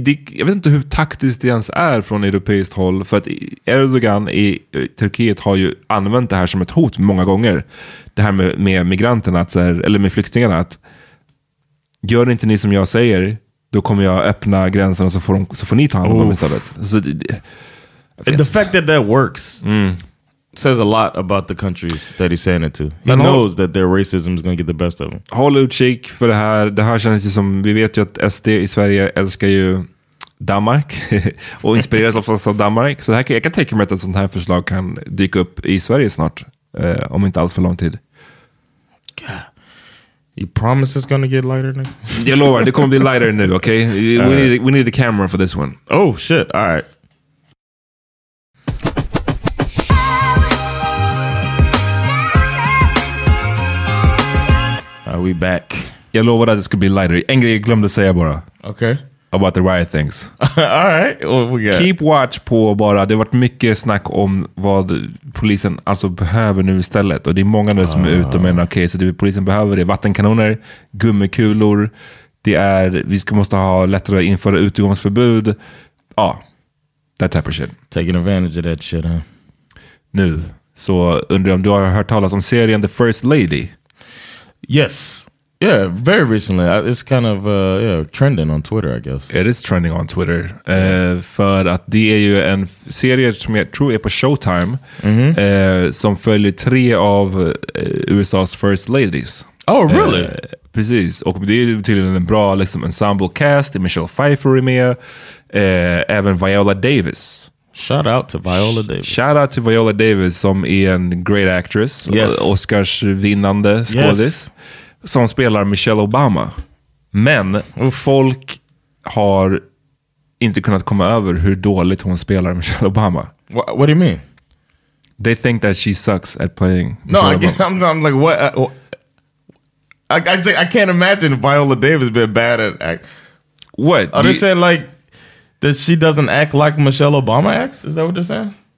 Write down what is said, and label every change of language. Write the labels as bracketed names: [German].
[Swedish] Jag vet inte hur taktiskt det ens är från europeiskt håll. För att Erdogan i Turkiet har ju använt det här som ett hot många gånger. Det här med migranterna, att så här, eller med flyktingarna. Att, gör inte ni som jag säger, då kommer jag öppna gränserna så får ni ta hand om dem istället. Så [English] the fact that that works... Mm. Says a lot about the countries that he's saying it to. He knows that their racism is going to get the best of them. [Swedish] Håll utkik för det här. Det här känns ju som, vi vet ju att SD i Sverige älskar ju Danmark och inspireras oftast av Danmark. Så det här, jag kan tänka mig att ett sånt här förslag kan dyka upp i Sverige snart. Om inte alls för lång tid. [English] God. You promise it's going to get lighter now? [Swedish] Jag lovar, det kommer bli lighter nu, okej? [English] Okay? We need a camera for this one. Oh shit, all right. Are we back? [Swedish] Jag lovade att det skulle bli lighter. En grej jag glömde säga bara. [English] Okay. About the riot things. All right. What we got? Keep watch [Swedish] på bara. Det har varit mycket snack om vad polisen alltså behöver nu istället. Och det är många nu som är ute och menar okej, så det polisen behöver är vattenkanoner, gummikulor. Det är, vi måste ha lättare att införa utgångsförbud. [English] Ja. That type of shit. Taking advantage of that shit, huh? [Swedish] Nu. Så undrar jag om du har hört talas om serien The First Lady. [English] Yes. Yeah, very recently. It's kind of trending on Twitter, I guess. It is trending on Twitter. [Swedish] För att det är ju en serie som jag tror är på Showtime. Mm-hmm. Som följer tre av USA's [English] first ladies. Oh, really? [Swedish] Precis. Och det är tydligen en bra liksom [English] ensemble cast. [Swedish] Michelle Pfeiffer är med. Även Viola Davis. [English] Shout out to Viola Davis. Shout out to Viola Davis [Swedish] som är en [English] great actress. Yes. [Swedish] Oscars vinnande skådis. Yes. Som spelar Michelle Obama. Men folk har inte kunnat komma över hur dåligt hon spelar Michelle Obama. [English] What do you mean? They think that she sucks at playing Michelle Obama. No, I'm like, what? I can't imagine Viola Davis being bad at act. What? I'm just saying like, that she doesn't act like Michelle Obama acts? Is that what you're saying?